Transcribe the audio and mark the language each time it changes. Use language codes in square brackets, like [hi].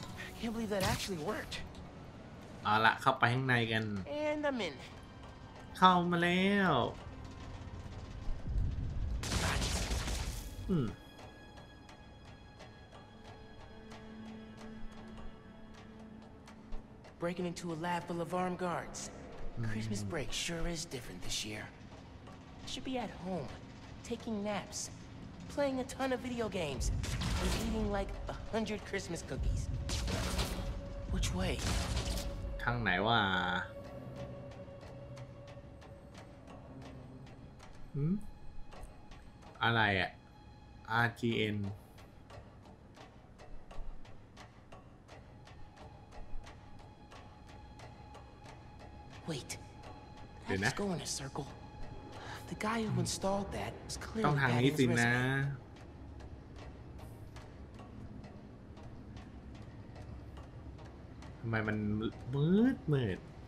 [en] I can't believe that actually worked [th] เอาละเข้าไปข้างในกัน [en] and I'm in [th] เข้ามาแล้ว [en] breaking into a lab full of armed guardsChristmas break sure is different this year. I should be at home, taking naps, playing a ton of video games, and eating like 100 Christmas cookies. Which way? [th] ทางไหนวะ อะไรอ่ะ RGN [en] Wait. [th] เดี๋ยวนะ [en] The guy who installed that is clearly [th] ต้องทางนี้สินะทำไมมันมืด